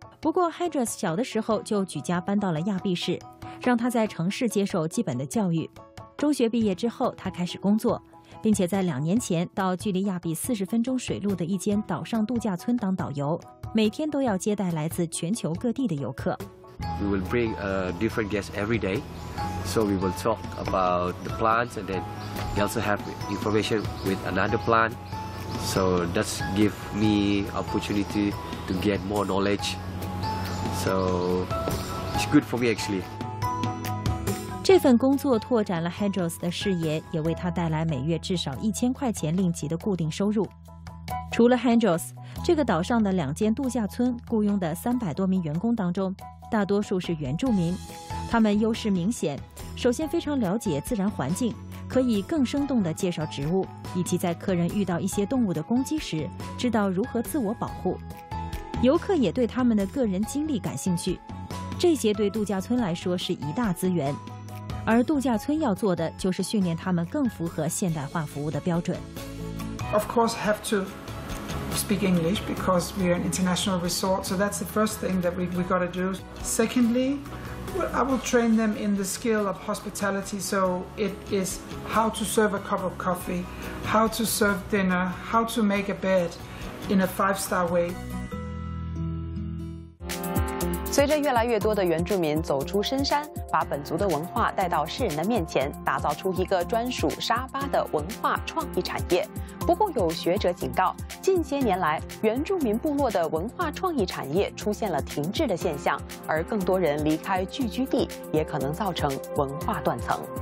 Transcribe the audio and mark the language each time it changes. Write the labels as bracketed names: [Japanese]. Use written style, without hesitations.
[Chinese] 不过 Hedros 小的时候就举家搬到了亚庇市，让他在城市接受基本的教育。中学毕业之后，他开始工作，并且在2年前到距离亚庇40分钟水路的一间岛上度假村当导游，每天都要接待来自全球各地的游客。 [English] We will bring a different guest every day, so we will talk about the plants, and then we also have information with another plant. So that's give me opportunity to get more knowledge. So it's good for me actually. [Chinese] 这份工作拓展了 Hedros 的视野，也为他带来每月至少1000块钱令吉的固定收入。除了 Hedros， 这个岛上的两间度假村雇佣的300多名员工当中，大多数是原住民，他们优势明显，首先非常了解自然环境，可以更生动地介绍植物，以及在客人遇到一些动物的攻击时，知道如何自我保护。游客也对他们的个人经历感兴趣，这些对度假村来说是一大资源。而度假村要做的就是训练他们更符合现代化服务的标准。 [English] Of course, have to speak English because we are an international resort, so that's the first thing that we got to do. Secondly, I will train them in the skill of hospitality. So it is how to serve a cup of coffee, how to serve dinner, how to make a bed in a five-star way. [Chinese] 随着越来越多的原住民走出深山，把本族的文化带到世人的面前，打造出一个专属沙巴的文化创意产业。不过有学者警告，近些年来原住民部落的文化创意产业出现了停滞的现象，而更多人离开聚居地也可能造成文化断层。